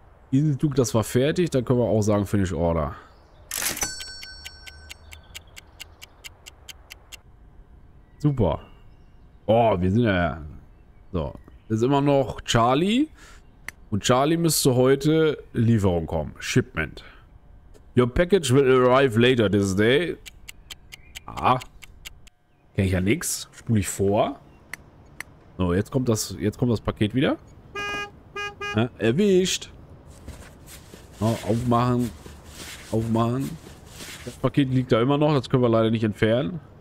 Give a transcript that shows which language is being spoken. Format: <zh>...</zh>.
<de>Isis Duke, das war fertig. Dann können wir auch sagen Finish Order. Super. Oh, wir sind ja... So, ist immer noch Charlie. Und Charlie müsste heute Lieferung kommen.</de> <en>Shipment. Your package will arrive later this day.</en> <de>Ah. Kenn ich ja nix. Spule ich vor. So, jetzt kommt das Paket wieder. Ja, erwischt. Oh, aufmachen. Aufmachen. Das Paket liegt da immer noch. Das können wir leider nicht entfernen.</de>